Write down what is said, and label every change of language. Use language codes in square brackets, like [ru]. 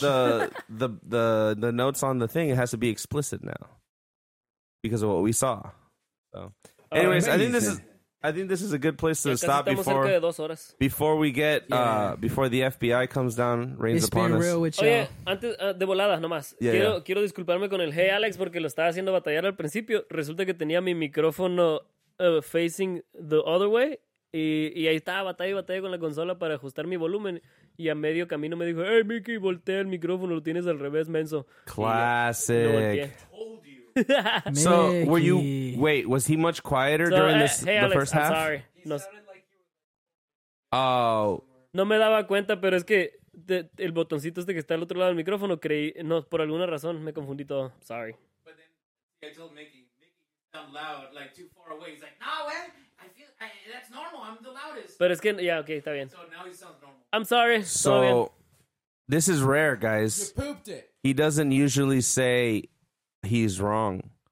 [en] The notes on the thing, it has to be explicit now. Because of what we saw. So, anyways, I think this is a good place to stop before we get before the FBI comes down, rains upon us. It's been real with [es] you. Oye, antes de volada nomás. Yeah, quiero disculparme con el hey Alex porque lo estaba haciendo batallar al principio. Resulta que tenía mi micrófono facing the other way y ahí estaba batalla con la consola para ajustar mi volumen y a medio camino me dijo, "Hey Mickey, voltea el micrófono, lo tienes al revés, menso." [en] Classic. So Mickey. Was he much quieter so, during this hey, the Alex, first half? I'm sorry. No. Oh. [es] No me daba cuenta, pero es que el botoncito este que está al otro lado del micrófono creí no por alguna razón me confundí todo. [en] Sorry. But then I told Mickey sound loud like too far away. He's like, "No, man. I feel that's normal. I'm the loudest." [es] Pero es que yeah, okay, está bien. [en] So now he sounds normal. I'm sorry. So this is rare, guys. You pooped it. He doesn't usually say he's wrong.